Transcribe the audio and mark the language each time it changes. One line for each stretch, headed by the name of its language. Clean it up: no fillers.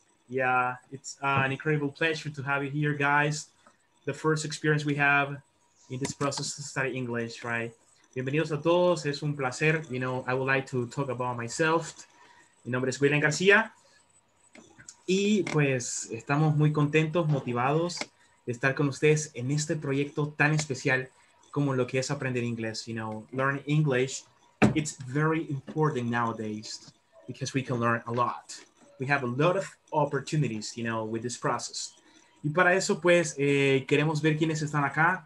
English: Yeah, it's an incredible pleasure to have you here, guys. The first experience we have in this process to study English, right?
Spanish: Bienvenidos a todos, es un placer.
English: You know, I would like to talk about myself.
Spanish: Mi nombre es William García. Y pues estamos muy contentos, motivados de estar con ustedes en este proyecto tan especial como lo que es aprender inglés.
English: You know, learn English, it's very important nowadays because we can learn a lot. We have a lot of opportunities, you know, with this process.
Spanish: Y para eso, pues, queremos ver quiénes están acá.